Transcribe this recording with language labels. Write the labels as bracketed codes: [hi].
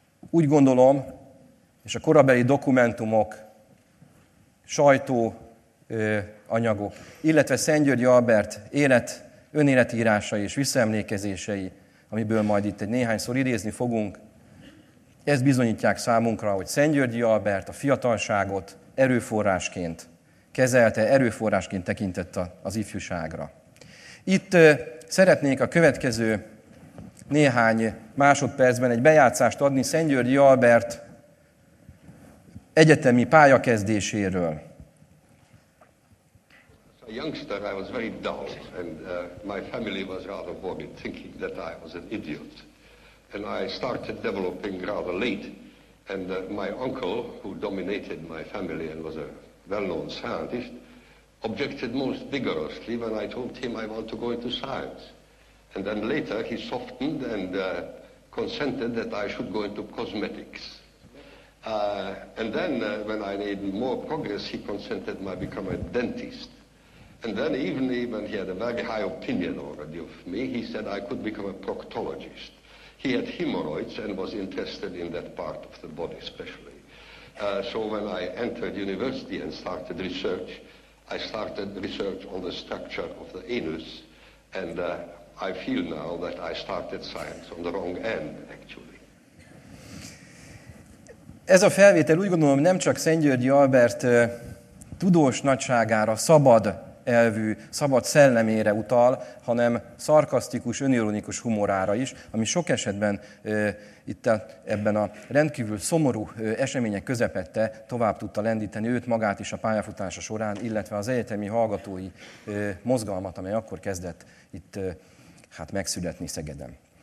[hu] úgy gondolom, és a korabeli dokumentumok, sajtó anyagok, illetve Szentgyörgyi Albert élet, önéletírásai és visszaemlékezései, amiből majd itt egy néhányszor idézni fogunk, ezt bizonyítják számunkra, hogy Szentgyörgyi Albert a fiatalságot erőforrásként kezelte, erőforrásként tekintett az ifjúságra. Itt szeretnék a következő néhány másodpercben egy bejátszást adni Szentgyörgyi Albert egyetemi pályakezdéséről. [en] A youngster, I was very dull, and my family was rather morbid, thinking that I was an idiot. And I started developing rather late, and my uncle, who dominated my family and was a well-known scientist, objected most vigorously when I told him I want to go into science. And then later he softened and consented that I should go into cosmetics. And then when I made more progress, he consented my become a dentist. And then even when he had a very high opinion already of me, he said I could become a proctologist. He had hemorrhoids and was interested in that part of the body especially. So when I entered university and started research, I started research on the structure of the anus, and I feel now that I started science on the wrong end, actually. [hu] Ez a felvétel úgy gondolom nem csak Szentgyörgyi Albert tudós nagyságára, szabad elvű, szabad szellemére utal, hanem szarkasztikus, önironikus humorára is, ami sok esetben ebben a rendkívül szomorú események közepette tovább tudta lendíteni őt magát is a pályafutása során, illetve az egyetemi hallgatói mozgalmat, amely akkor kezdett itt megszületni Szegeden.